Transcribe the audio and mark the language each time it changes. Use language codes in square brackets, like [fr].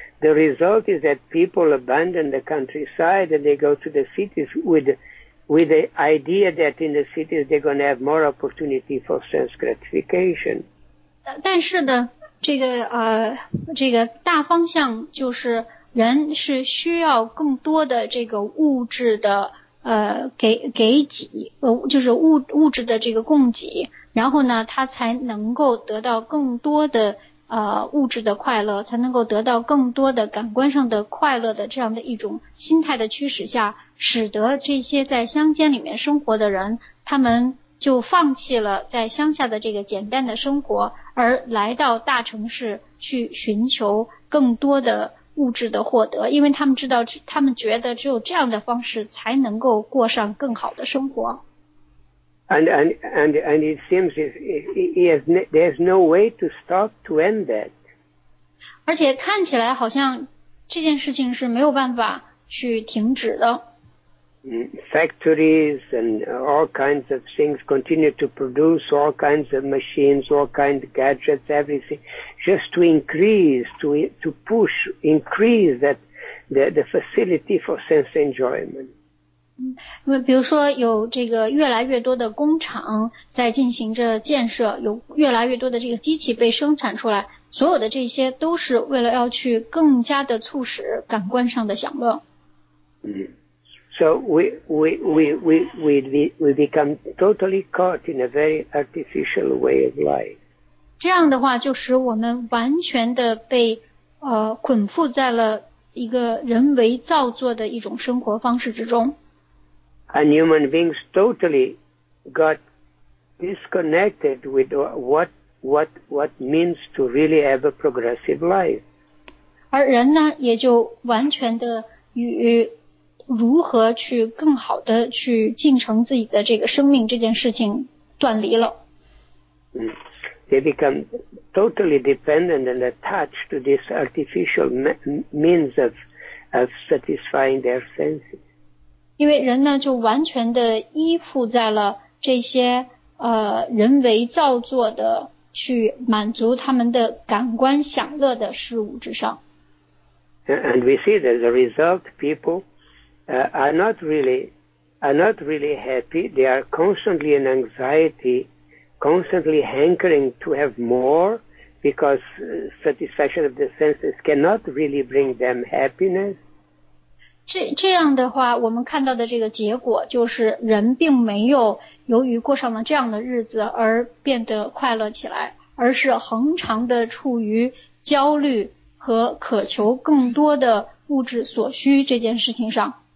[en] The result is that people abandon the countryside and they go to the cities with the idea that in the cities they're going to have more opportunity for sense gratification. [zh] 但是呢，这个大方向就是人是需要更多的这个物质的给给给给，就是物质的这个供给，然后呢，他才能够得到更多的物质的快乐，才能够得到更多的感官上的快乐的这样的一种心态的驱使下，使得这些在乡间里面生活的人，他们就放弃了在乡下的这个简单的生活，而来到大城市去寻求更多的物质的获得，因为他们知道，他们觉得只有这样的方式才能够过上更好的生活。 [en] And it seems there's no way to stop to end that. [zh] 而且看起来好像这件事情是没有办法去停止的。 [en] Factories and all kinds of things continue to produce all kinds of machines, all kinds of gadgets, everything, just to increase, to push, increase that the facility for sense enjoyment. [zh] 比如说有这个越来越多的工厂在进行着建设，有越来越多的这个机器被生产出来，所有的这些都是为了要去更加的促使感官上的享乐。 [en] So we become totally caught in a very artificial way of life. [zh] 这样的话就使我们完全的被捆缚在了一个人为造作的一种生活方式之中。 [en] And human beings totally got disconnected with what means to really have a progressive life. [zh] 而人呢，也就完全的与如何去更好的去进程自己的这个生命这件事情断离了。 [en] They become totally dependent and attached to this artificial means of satisfying their senses. [zh] 因为人呢就完全的依附在了这些人为造作的去满足他们的感官享乐的事物之上。 [en] And we see that as a result, people are not really happy. They are constantly in anxiety, constantly hankering to have more, because satisfaction of the senses cannot really bring them happiness. [zh] 这样的话，我们看到的这个结果就是人并没有由于过上了这样的日子而变得快乐起来，而是恒常的处于焦虑和渴求更多的物质所需这件事情上。